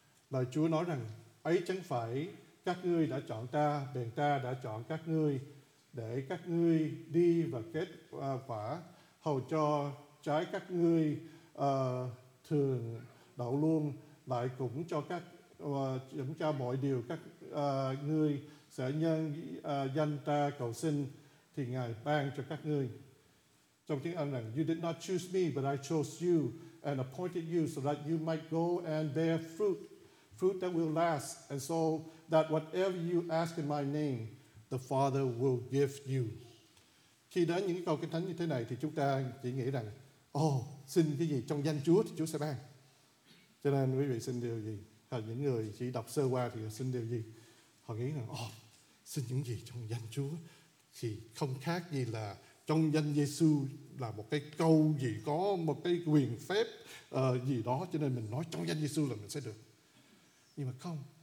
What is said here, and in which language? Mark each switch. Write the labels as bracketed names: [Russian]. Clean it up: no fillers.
[Vietnamese] Lời Chúa nói rằng: ấy chẳng phải các ngươi đã chọn ta, bèn ta đã chọn các ngươi để các ngươi đi và kết quả, hầu cho trái các ngươi thường đậu luôn, lại cũng cho các chúng cho mọi điều các ngươi sẽ nhân danh ta cầu xin thì Ngài ban cho các ngươi. Trong tiếng Anh rằng: [English] you did not choose me but I chose you and appointed you so that you might go and bear fruit, fruit that will last, and so that whatever you ask in my name, the Father will give you. [Vietnamese] Khi đến những câu kinh thánh như thế này thì chúng ta chỉ nghĩ rằng: xin cái gì trong danh Chúa thì Chúa sẽ ban. Cho nên quý vị xin điều gì? Hoặc những người chỉ đọc sơ qua thì xin điều gì? Họ nghĩ rằng: xin những gì trong danh Chúa thì không khác gì là trong danh Giêsu là một cái câu gì, có một cái quyền phép gì đó, cho nên mình nói trong danh Giêsu là mình sẽ được. Nhưng mà không,